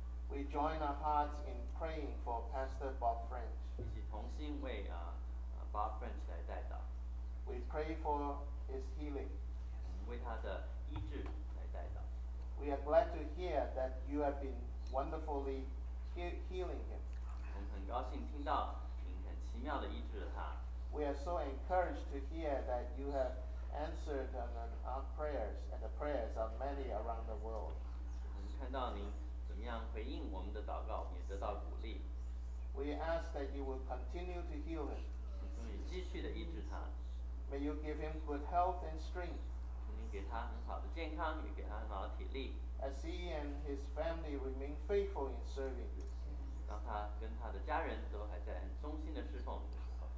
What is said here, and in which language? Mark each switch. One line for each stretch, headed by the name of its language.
English: We join our hearts in praying for Pastor Bob French.
Chinese: 一起同心为Bob French 来代祷。
English: We pray for his healing.
Chinese: 为他的医治来代祷。
English: We are glad to hear that you have been wonderfully healing him.
Chinese: 我们很高兴听到您很奇妙的医治了他。
English: We are so encouraged to hear that you have answered our prayers and the prayers of many around the world.
Chinese: 我们看到您怎么样回应我们的祷告，也得到鼓励。
English: We ask that you will continue to heal him.
Chinese: 你继续的医治他。
English: May you give him good health and strength.
Chinese: 你给他很好的健康，也给他很好的体力。
English: As he and his family remain faithful in serving you.
Chinese: 当他跟他的家人都还在很忠心的侍奉你的时候。